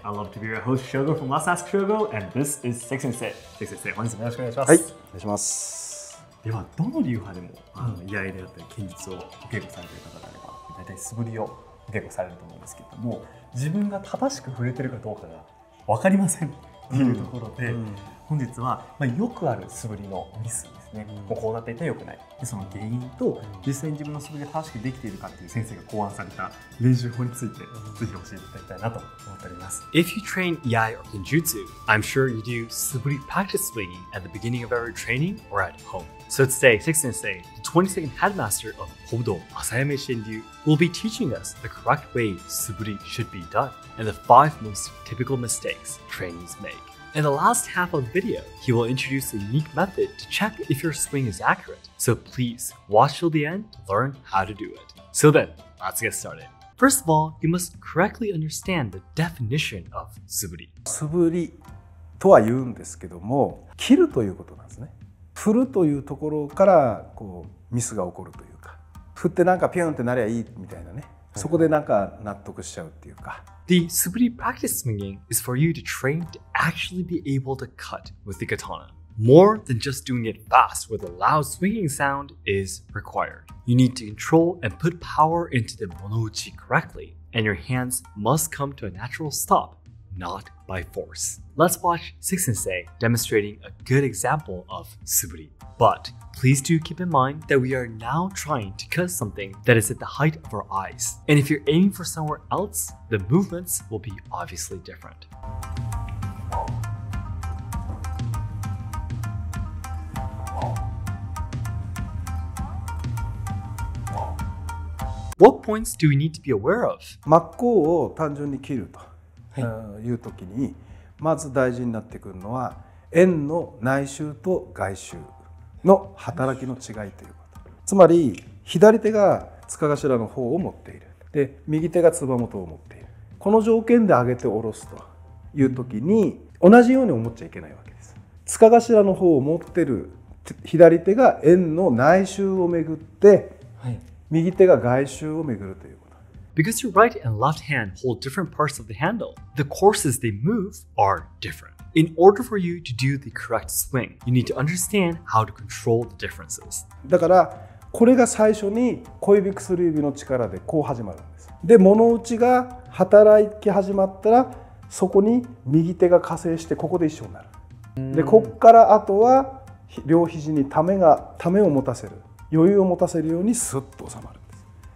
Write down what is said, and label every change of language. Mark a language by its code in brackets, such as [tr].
[en] I love to be your host Shogo from Let's Ask Shogo, and this is Sexsensei. [ja] Sexsensei, 本日もよろしくお願いします。はい、お願いします。では、どの流派でも、居合であったり、剣術をお稽古されている方であれば、大体素振りをお稽古されると思うんですけども、自分が正しく触れているかどうかが分かりませんというところで、本日は、よくある素振りのミスですね。もうこうなっていたら良くない。で、その原因と、実際に自分の素振りが正しくできているかという先生が考案された練習法について、ぜひ教えていただきたいなと思っております。 [en] If you train 居合 or 剣術, I'm sure you do 素振り practice swinging at the beginning of every training or at home. So today, Sexsensei, the 22nd headmaster of Hobudo, Asayame Shenryu, will be teaching us the correct way suburi should be done and the five most typical mistakes trainees make. In the last half of the video, he will introduce a unique method to check if your swing is accurate. So please watch till the end to learn how to do it. So then, let's get started. First of all, you must correctly understand the definition of suburi. [ja] Suburi とは言うんですけども、切るということなんですね。振るというところからこうミスが起こるというか、振ってなんかピュンってなればいいみたいなね、そこでなんか納得しちゃうっていうか。 [en] The 素振り practice swinging is for you to train to actually be able to cut with the katana. More than just doing it fast with a loud swinging sound is required. You need to control and put power into the monouchi correctly, and your hands must come to a natural stop. Not by force. Let's watch Sexsensei demonstrating a good example of suburi. But please do keep in mind that we are now trying to cut something that is at the height of our eyes. And if you're aiming for somewhere else, the movements will be obviously different. What points do we need to be aware of? [ja] 真っ向を単純に切ると。はい、いうときにまず大事になってくるのは円の内周と外周の働きの違いということ。つまり左手が塚頭の方を持っている、で右手がつば元を持っている。この条件で上げて下ろすというときに同じように思っちゃいけないわけです。塚頭の方を持っている左手が円の内周をめぐって、はい、右手が外周をめぐるということ。 [en] Because your right and left hand hold different parts of the handle, the courses they move are different. In order for you to do the correct swing, you need to understand how to control the differences. [ja] だからこれが最初に小指薬指の力でこう始まるんです。で、物打ちが働き始まったら、そこに右手が加勢してここで一緒になる。で、こっからあとは両肘にためを持たせる、余裕を持たせるようにスッと収まるんです。